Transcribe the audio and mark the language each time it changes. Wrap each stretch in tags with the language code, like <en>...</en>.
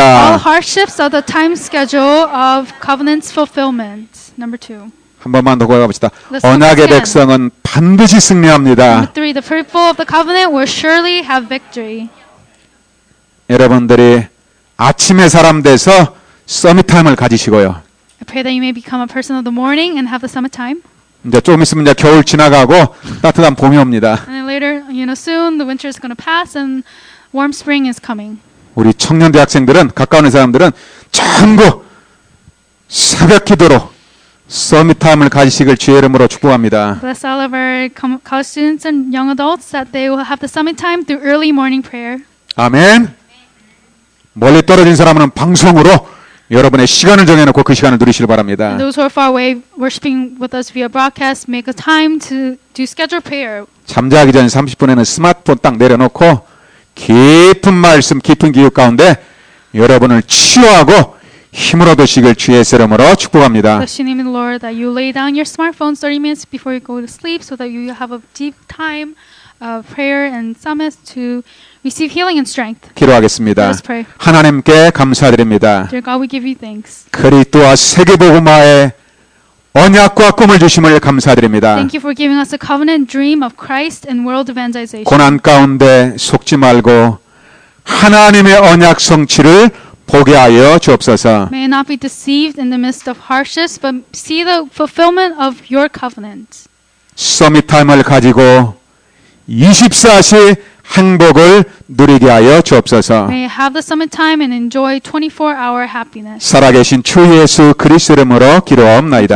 <en>All hardships are the time schedule of covenant's fulfillment. Number two.</en> <ko>한 번만 더 고백해 봅시다. 언약의 백성은 반드시 승리합니다.</ko> <en>Number three, the faithful of the covenant will surely have victory.</en> <ko>여러분들이 아침의 사람 돼서 서밋 타임을 가지시고요.</ko> <en>I pray that you may become a person of the morning and have the summit time.</en> <ko>이제 조금 있으면 이제 겨울 지나가고 따뜻한 봄이 옵니다.</ko> <en>And later, you know, soon the winter is going to pass and Warm spring is coming.</en> <ko>우리 청년 대학생들은 가까운 사람들은 전부 새벽 기도로 서밋 타임을 가지시길 주의 이름으로 축복합니다.</ko> <en>Bless all of our college students and young adults that they will have the summit time through early morning prayer.</en> <ko>아멘. 멀리 떨어진 사람은 방송으로 여러분의 시간을 정해놓고 그 시간을 누리시길 바랍니다.</ko> <en>And those who are far away worshiping with us via broadcast, make a time to do schedule prayer.</en> <ko>잠자기 전 30분에는 스마트폰 딱 내려놓고. 깊은 말씀, 깊은 기억 가운데 여러분을 치유하고 힘을 얻으시길 주의 이름으로 축복합니다.</ko> <en>Bless you, the Lord, that you lay down your smartphone 30 minutes before you go to sleep so that you have a deep time of prayer and summit to receive healing and strength.</en> <ko>기도하겠습니다.</ko> <en>Let's pray.</en> <ko>하나님께 감사드립니다.</ko> <en>Dear God, we give you thanks.</en> <ko>그리스도와 세계복음화의 언약과 꿈을 주심을 감사드립니다.</ko> <en>Thank you for giving us a covenant dream of Christ and world evangelization.</en> <ko>고난 가운데 속지 말고 하나님의 언약 성취를 보게 하여 주옵소서.</ko> <en>May I not be deceived in the midst of harshness, but see the fulfillment of your covenant.</en> <ko>서밋 타임을 가지고 24시 행복을 누리게 하여 주옵소서.</ko> <en>May I have the summit time and enjoy 24-hour happiness.</en> <ko>살아계신 주 예수 그리스도 이름으로 기도하옵나이다.</ko>